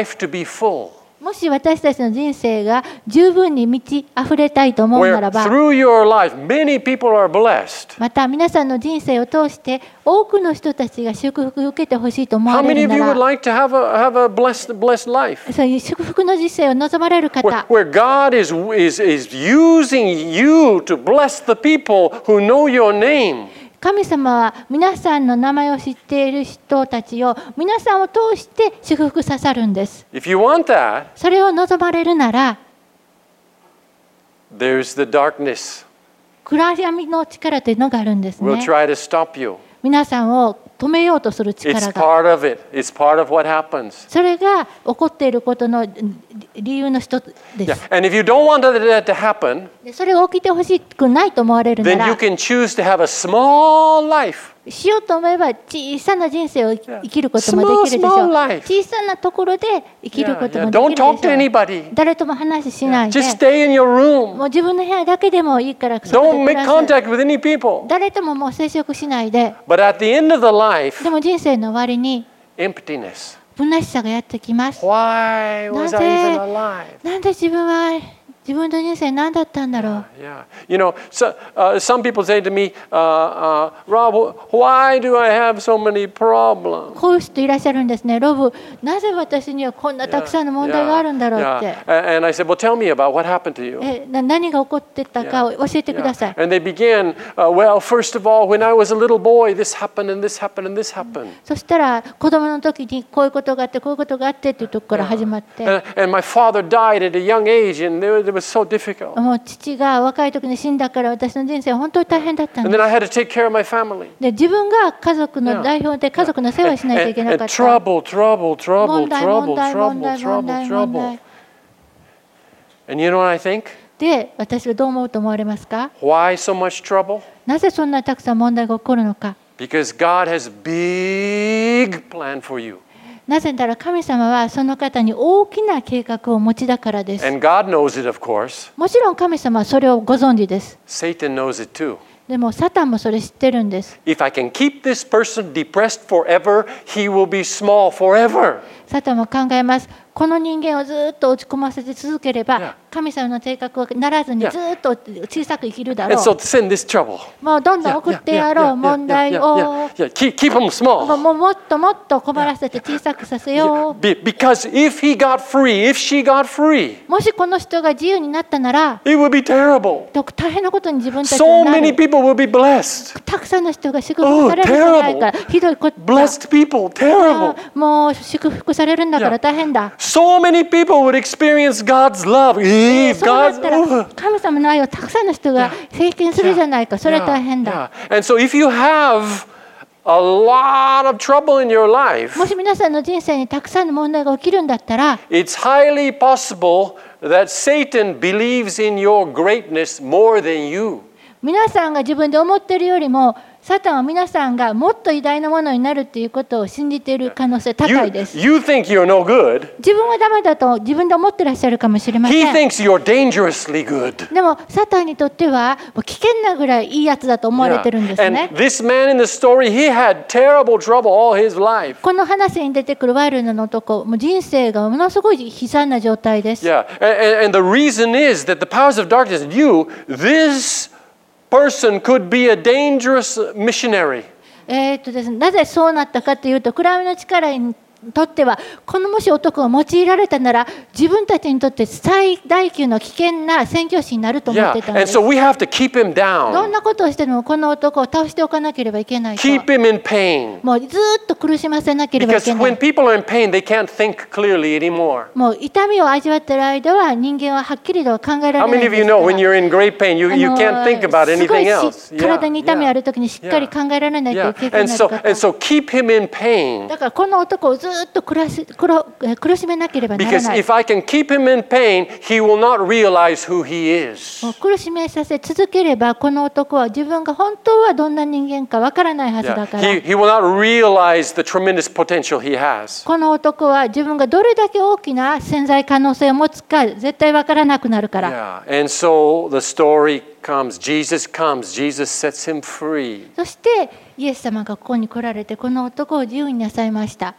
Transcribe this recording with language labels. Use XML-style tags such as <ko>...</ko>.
<ja>もし私たちの人生が十分に満ち溢れたいと思うならば、</ja> <en>through your life, many people are blessed.</en> <ja>また皆さんの人生を通して多くの人たちが祝福を受けてほしいと思われるなら、</ja> <en>How many of you would like to have a blessed life?</en> <ja>そういう祝福の人生を望まれる方、</ja> <en>where God is using you to bless the people who know your name.</en> <ja>神様は皆さんの名前を知っている人たちを皆さんを通して祝福ささるんです。</ja> <en>If you want that,</en> <ja>それを望まれるなら、</ja> <en>There's the darkness.</en> <ja>暗闇の力というのがあるんですね。</ja> <en>We'll try to stop you.</en> <ja>皆さんを止めようとする力が。</ja> <en>It's part of it. It's part of what happens.</en> <ja>それが起こっていることの理由の一つです。</ja> <en>Yeah. And if you don't want that to happen,</en> <ja>それが起きてほしくないと思われるなら、</ja> <en>then you can choose to have a small life.</en> <ja>しようと思えば小さな人生を生きることもできるでしょう。</ja> <en>Yeah. Small, small life.</en> <ja>小さなところで生きることもできるでしょう。</ja> <en>Yeah. Don't talk to anybody.</en> <ja>誰とも話しないで。</ja> <en>Yeah. Just stay in your room.</en> <ja>もう自分の部屋だけでもいいから、</ja> <en>Don't make contact with any people.</en> <ja>誰とももう接触しないで。</ja> <en>But at the end of the life,</en> <ja>でも人生の終わりに、</ja> <en>emptiness.</en> <ja>虚しさがやってきます。</ja> <en>Why was I even alive?</en> <ja>なんで自分の人生何だったんだろう。</ja> <en>Yeah. You know, some people say to me, Rob, why do I have so many problems?</en> <ja>こういう人いらっしゃるんですね。ロブ、なぜ私にはこんなたくさんの問題があるんだろうって。</ja> <en>Yeah. Yeah. And I said, well, tell me about what happened to you.</en> <ja>何が起こってたか教えてください。</ja> <en>Yeah. And they began, well, first of all, when I was a little boy, this happened and this happened and this happened.</en> <ja>そしたら子供の時にこういうことがあってこういうことがあってっていうところから始まって。</ja> <en>Yeah. And my father died at a young age and It was so difficult.</en> <ja>もう父が若い時に死んだから私の人生は本当に大変だったんです。</ja> <en>And then I had to take care of my family.</en> <ja>で自分が家族の代表で家族の世話をしないといけなかった。</ja> <en>And trouble. And you know what I think?</en> <ja>で私はどう思うと思われますか?</ja> <en>Why so much trouble?</en> <ja>なぜそんなたくさん問題が起こるのか?</ja> <en>Because God has big plan for you.</en> <ja>なぜなら神様はその方に大きな計画をお持ちだからです。</ja> <en>And God knows it, of course.</en> <ja>もちろん神様はそれをご存知です。</ja> <en>Satan knows it too.</en> <ja>でもサタンもそれ知ってるんです。</ja> <en>If I can keep this person depressed forever, he will be small forever.</en> <ja>サタンも考えます。この人間をずっと落ち込ませて続ければ、神様の計画はならずにずっと小さく生きるだろう。</ja> <en>Send this trouble.</en> <ja>もうどんどん送ってやろう問題を。</ja> <en>Keep them small.</en> <ja>もっともっと困らせて小さくさせよう。</ja> <en>Because if he got free, if she got free,</en> <ja>もしこの人が自由になったなら、</ja> <en>it would be terrible.</en> <ja>大変なことに自分たちになる。</ja> <en>So many people will be blessed.</en> <ja>たくさんの人が祝福されるんじゃないか。ひどいこと。</ja> <en>Blessed people, terrible.</en> <ja>もう祝福されるんだから大変だ。</ja> <en>So many people would experience God's love.</en> <ja>そうだったら神様の愛をたくさんの人が経験するじゃないか。それは大変だ。</ja> <en>And so if you have a lot of trouble in your life,</en> <ja>もし皆さんの人生にたくさんの問題が起きるんだったら、</ja> <en>it's highly possible that Satan believes in your greatness more than you.</en> <ja>皆さんが自分で思っているよりも、サタンは皆さんがもっと偉大なものになるということを信じている可能性高いです。</ja> <en>you think you're no good.</en> <ja>自分はダメだと自分で思ってらっしゃるかもしれません。</ja> <en>He thinks you're dangerously good.</en> <ja>でもサタンにとっては危険なぐらいいいやつだと思われてるんですね。この話に出てくるワイルドの男、もう人生がものすごい悲惨な状態です。</ja> <en>And the reason is that the powers of darkness knew thisperson could be a dangerous missionary.</en> <ja>なぜそうなったかというと、暗闇の力にとってはこのもし男が用いられたなら自分たちにとって最大級の危険な宣教師になると思ってたんです。</ja> <en>Yeah. And so we have to keep him down.</en> <ja>どんなことをしてもこの男を倒しておかなければいけないと。</ja> <en>Keep him in pain.</en> <ja>もうずっと苦しませなければいけない。</ja> <en>Because when people are in pain, they can't think clearly anymore.</en> <ja>もう痛みを味わっている間は人間ははっきりと考えられない。</ja> <en>How many of you know when you're in great pain, you can't think about anything else?</en> <ja>体に痛みあるときにしっかり考えられないといけない。</ja> <en>And so keep him in pain.</en> <ja>だからこの男をずっと苦しめなければならない。</ja> <en>Because if I can keep him in pain, he will not realize who he is.</en> <ja>苦しめさせ続ければこの男は自分が本当はどんな人間かわからないはずだから。</ja> <en>He will not realize the tremendous potential he has.</en> <ja>この男は自分がどれだけ大きな潜在可能性を持つか絶対わからなくなるから。</ja> <en>Yeah. And so the story comes. Jesus comes. Jesus sets him free.</en> <ja>そしてイエス様がここに来られてこの男を自由になさいました。</ja>